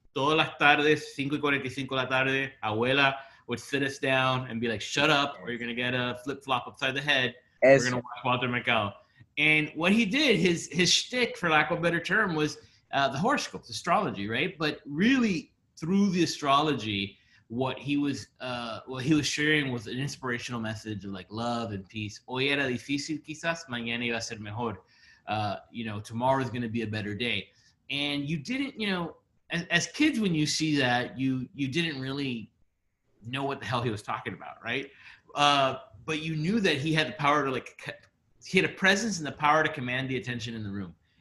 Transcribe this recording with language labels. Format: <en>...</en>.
<es>Todas las tardes, 5:45 la tarde,</es> <en>abuela would sit us down and be like, shut up or you're going to get a flip-flop upside the head. We're going to watch Walter Mercado. And what he did, his shtick, for lack of a better term, was the horoscopes, astrology, right? But really, through the astrology, what he was sharing was an inspirational message of like love and peace.</en> <es>Hoy era difícil, quizás mañana iba a ser mejor.</es> <en>You know, tomorrow is going to be a better day. And you didn't, you know, as kids, when you see that, you didn't really know what the hell he was talking about, right? But you knew that he had the power to he had a presence and the power to command the attention in the room.</en>